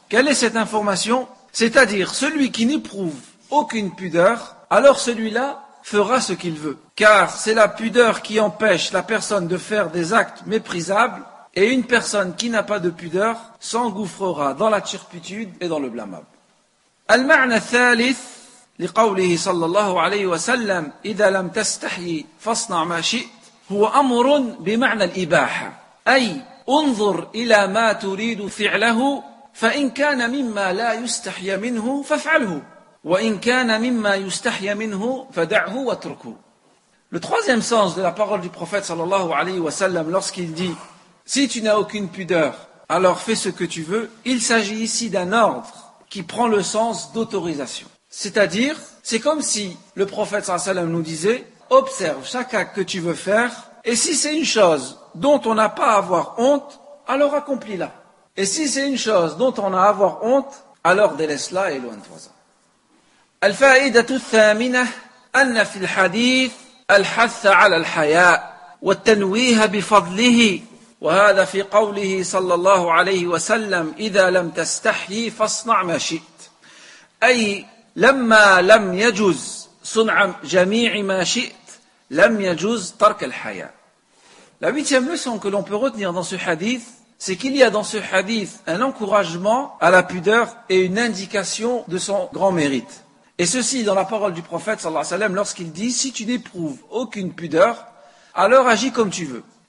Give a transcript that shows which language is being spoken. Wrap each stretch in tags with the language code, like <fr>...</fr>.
<fr>Quelle est cette information? C'est-à-dire celui qui n'éprouve aucune pudeur, alors celui-là fera ce qu'il veut. Car c'est la pudeur qui empêche la personne de faire des actes méprisables et une personne qui n'a pas de pudeur s'engouffrera dans la turpitude et dans le blâmable.</fr> <ar>Al-ma'na thalith لقوله صلى الله عليه وسلم إذا لم تستحي فاصنع ما شئت هو أمر بمعنى الإباحة أي انظر إلى ما تريد فعله فإن كان مما لا يستحي منه فافعله وإن كان مما يستحي منه فدعه واتركه.</ar> <fr>Le troisième sens de la parole du prophète</fr> <ar>صلى الله عليه وسلم</ar> <fr>lorsqu'il dit si tu n'as aucune pudeur alors fais ce que tu veux, il s'agit ici d'un ordre qui prend le sens d'autorisation. C'est-à-dire, c'est comme si le prophète sallallahu alayhi wa sallam nous disait « Observe chaque acte que tu veux faire, et si c'est une chose dont on n'a pas à avoir honte, alors accomplis-la. Et si c'est une chose dont on a à avoir honte, alors délaisse-la et éloigne-toi-en.</fr> <ar>» Al-fa'idatu thamina anna fil hadith al-hatha ala al-haya' wa tanwiha bifadlihi wa hada fi qawlihi sallallahu alayhi wa sallam idha lam tastahyi fasna' ma shi't. Ay لما لم يجوز صنع جميع ما شئت لم يجوز ترك الحياة.</ar> <fr>La huitième leçon que l'on peut retenir dans ce hadith, c'est qu'il y a dans ce hadith un encouragement à la pudeur et une indication de son grand mérite. Et ceci dans la parole du prophète sallallahu alayhi wa sallam lorsqu'il dit « Si tu n'éprouves aucune pudeur, alors agis comme tu veux ».</fr>